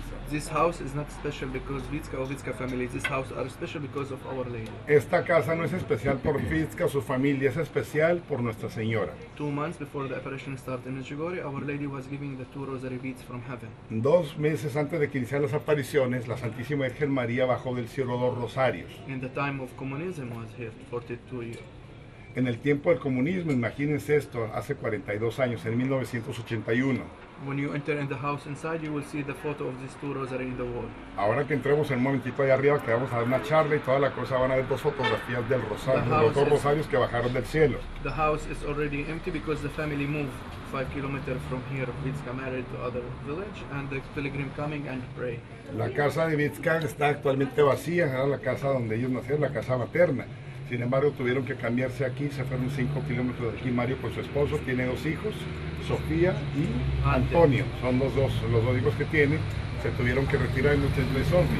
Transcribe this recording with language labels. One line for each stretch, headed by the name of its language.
English: This house is not special because Vitska or Vitska family. This house are special because of Our Lady.
Spanish: Esta casa no es especial por Vitska o su familia, es especial por Nuestra Señora.
English: 2 months before the apparition started in Medjugorje, Our Lady was giving the two rosary beads from heaven.
Spanish: 2 meses antes de que iniciaran las apariciones, la Santísima Virgen María bajó del cielo 2 rosarios.
English: In the time of communism was here, 42 years.
Spanish: En el tiempo del comunismo, imagínense esto, hace 42 años, en 1981.
English: When you enter in the house inside, you will see the photo of these two rosaries in the wall.
Spanish: Ahora que entremos en un momentito allá arriba, que vamos a dar una charla y toda la cosa, van a ver 2 fotografías del rosario, de los 2 rosarios que bajaron del cielo.
English: The house is already empty because the family moved 5 kilometers from here, Vitska married to other village, and the pilgrim coming and pray.
Spanish: La casa de Vitska está actualmente vacía, era la casa donde ellos nacieron, la casa materna. Sin embargo, tuvieron que cambiarse aquí, se fueron 5 kilómetros de aquí, Mario con su esposo, tiene 2 hijos, Sofía y Antonio, son los dos hijos que tiene, se tuvieron que retirar en muchos meses.